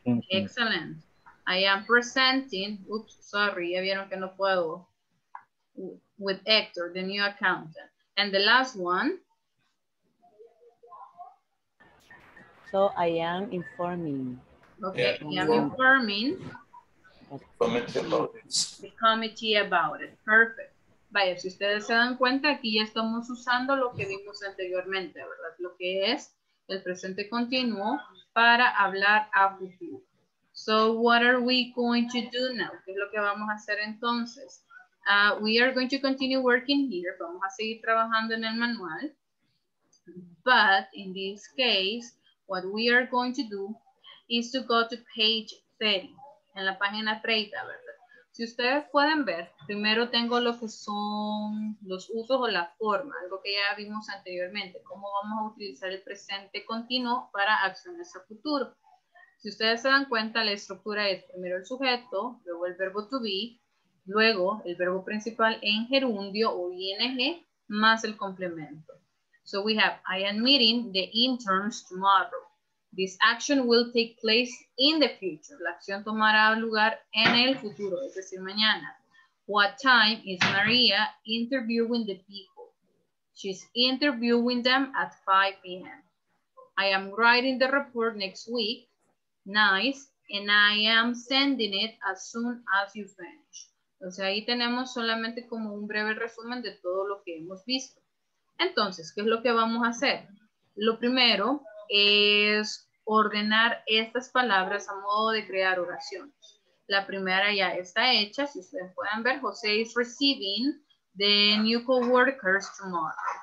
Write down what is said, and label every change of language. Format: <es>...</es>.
<en>Excellent. I am presenting, oops, sorry,</en> <es>ya vieron que no puedo,</es> <en>with Hector, the new accountant. And the last one? So I am informing. Okay, yeah. I am informing the committee about it. Perfect.</en> <es>Vaya, si ustedes se dan cuenta, aquí ya estamos usando lo que vimos anteriormente, ¿verdad? Lo que es el presente continuo para hablar a futuro.</es> <en>So what are we going to do now?</en> <es>¿Qué es lo que vamos a hacer entonces?</es> <en>We are going to continue working here.</en> <es>Vamos a seguir trabajando en el manual.</es> <en>But in this case, what we are going to do is to go to page 30.</en> <es>En la página 30, ¿verdad? Si ustedes pueden ver, primero tengo lo que son los usos o la forma. Algo que ya vimos anteriormente. Cómo vamos a utilizar el presente continuo para acciones a futuro. Si ustedes se dan cuenta, la estructura es primero el sujeto, luego el verbo to be, luego el verbo principal en gerundio o ing más el complemento.</es> <en>So we have, I am meeting the interns tomorrow. This action will take place in the future. La acción tomará lugar en el futuro, es decir, mañana. What time is Maria interviewing the people? She's interviewing them at 5 p.m. I am writing the report next week. Nice, and I am sending it as soon as you finish.</en> <es>Entonces ahí tenemos solamente como un breve resumen de todo lo que hemos visto. Entonces, ¿qué es lo que vamos a hacer? Lo primero es ordenar estas palabras a modo de crear oraciones. La primera ya está hecha. Si ustedes pueden ver, José</es> <en>is receiving the new coworkers tomorrow.</en>